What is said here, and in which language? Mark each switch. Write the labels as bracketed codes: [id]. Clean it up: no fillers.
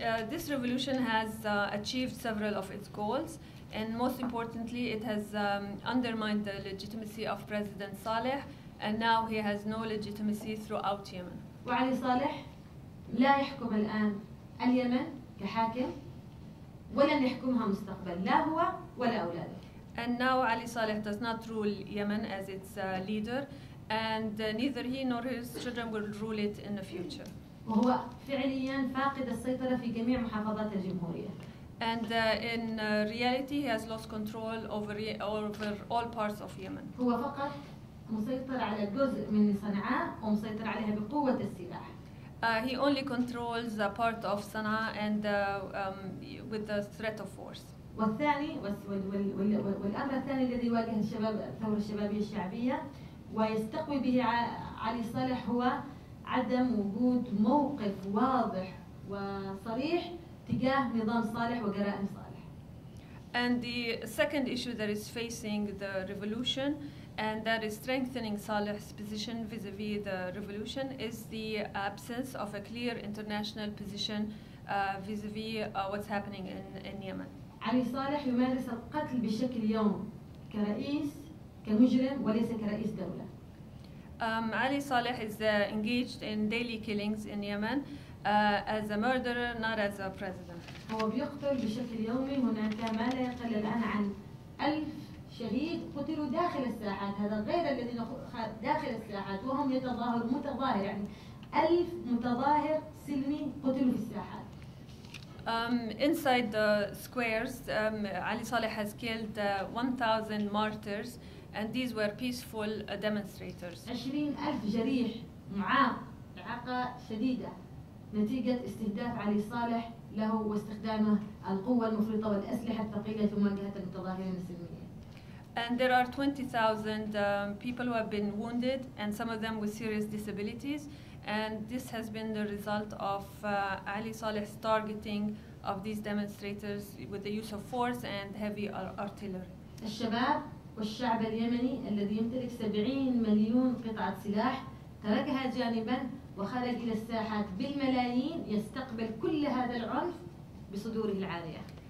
[en] This revolution has achieved several of its goals, and most importantly, it has undermined the legitimacy of President Saleh, and now he has no legitimacy throughout Yemen. [ar] وعلي صالح لا يحكم الآن اليمن كحاكم ولن يحكمها مستقبل لا هو ولا أولاده. [en] And now Ali Saleh does not rule Yemen as its leader. And neither he nor his children will rule it in the future. [ar] وهو فعليا فاقد السيطرة في جميع محافظات الجمهورية. [en] And in reality, he has lost control over all parts of Yemen. [ar] هو فقط مسيطر على جزء من صنعاء ومسيطر عليها بقوة السلاح. [en] He only controls a part of Sana'a and with the threat of force. [ar] والثاني والأمر الثاني الذي يواجه الشباب الثورة الشبابية الشعبية. ويستقوي به علي صالح هو عدم وجود موقف واضح وصريح تجاه نظام صالح وجرائم صالح. [en] And the second issue that is facing the revolution and that is strengthening Saleh's position vis-a-vis the revolution is the absence of a clear international position vis-a-vis what's happening in Yemen. [ar] علي صالح يمارس القتل بشكل يومي كرئيس كمجرم وليس كرئيس دولة. [en] Ali Saleh is engaged in daily killings in Yemen as a murderer, not as a president. [ar] هو بيقتل بشكل يومي هناك ما لا يقل الآن عن 1000 شهيد قتلوا داخل الساحات هذا غير الذين داخل الساحات وهم يتظاهر متظاهر يعني 1000 متظاهر سلمي قتلوا في الساحات. [en] Inside the squares, Ali Saleh has killed 1,000 martyrs, and these were peaceful demonstrators. [ar] 20,000 جريح معاق إعاقة شديدة نتيجة استهداف علي صالح له واستخدامه القوة المفرطة والأسلحة الثقيلة في مواجهة المتظاهرين السلميين. [en] And there are 20,000 people who have been wounded, and some of them with serious disabilities. And this has been the result of Ali Saleh's targeting of these demonstrators with the use of force and heavy artillery. [ar] الشباب والشعب اليمني الذي يمتلك 70 مليون قطعة سلاح تركها جانبا وخرج إلى الساحات بالملايين يستقبل كل هذا العنف بصدوره العالية.